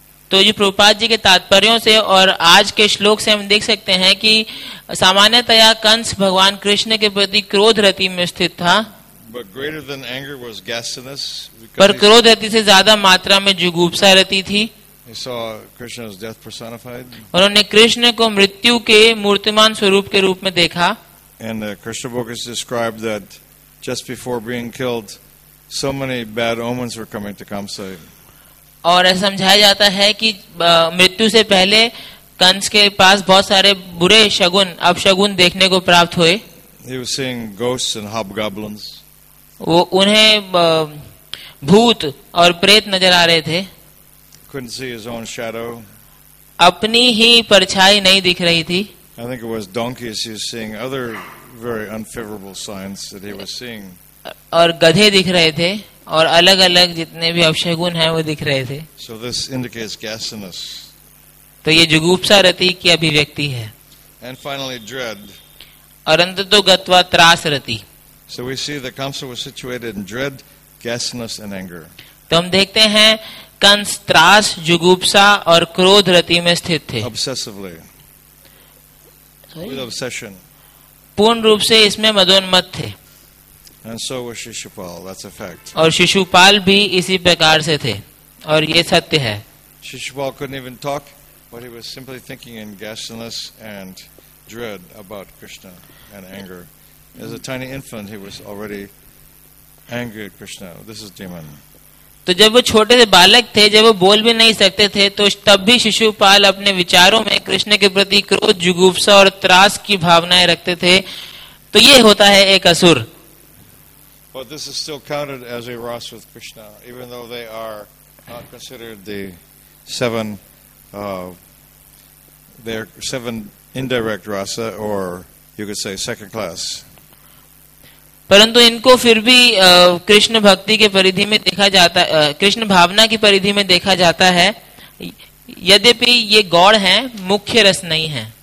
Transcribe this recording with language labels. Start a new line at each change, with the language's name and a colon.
Hindi: तो जी प्रभुपाद जी के तात्पर्यों से और आज के श्लोक से हम देख सकते हैं कि सामान्यतया कंस भगवान कृष्ण के प्रति क्रोध रति में स्थित था, पर क्रोध रति से ज्यादा मात्रा में जुगुप्सा रति थी. उन्होंने कृष्ण को मृत्यु के मूर्तिमान स्वरूप के रूप में देखा.
English: And the Krishna book is described that just before being killed, so many bad omens were coming to Kamsa.
Hindi: और ऐसा समझाया जाता है कि मृत्यु से पहले कंस के पास बहुत सारे बुरे शगुन अपशगुन देखने को प्राप्त हुए.
English: He was seeing ghosts and hobgoblins.
Hindi: वो उन्हें भूत और प्रेत नजर आ रहे थे.
English: Couldn't see his own shadow.
Hindi: अपनी ही परछाई नहीं दिख रही थी.
English: I think it was donkeys he was seeing, other very unfavorable signs that he was seeing.
Hindi: और गधे दिख रहे थे और अलग अलग जितने भी अपशगुन हैं वो दिख रहे थे.
English: So this indicates gassiness.
Hindi: तो ये जुगुप्सा रति की अभिव्यक्ति है.
English: And finally dread.
Hindi: और अंततो गत्वा त्रास रति.
English: So we see that Kamsa was situated in dread, gassiness and anger.
Hindi: तो हम देखते हैं कंस त्रास जुगुप्सा और क्रोध रति में स्थित थे.
English: Obsessively. With obsession.
Hindi: पूर्ण रूप से इसमें मदोन्मत थे.
English: And so was Shishupal. That's a fact.
Hindi: और शिशुपाल भी इसी प्रकार से थे और ये सत्य है.
English: Shishupal couldn't even talk, but he was simply thinking in gassiness and dread about Krishna and anger. As a tiny infant, he was already angry at Krishna. This is demon.
Hindi: तो जब वो छोटे से बालक थे, जब वो बोल भी नहीं सकते थे, तो तब भी शिशुपाल अपने विचारों में कृष्ण के प्रति क्रोध, जुगुप्सा और त्रास की भावनाएं रखते थे. तो ये होता है एक असुर.
English: But this is still counted as a rasa with Krishna, even though they are not considered the seven, their seven indirect rasa, or you could say second class.
Hindi: परंतु इनको फिर भी कृष्ण भक्ति के परिधि में देखा जाता, कृष्ण भावना की परिधि में देखा जाता है. यद्यपि ये गौड़ हैं, मुख्य रस नहीं हैं.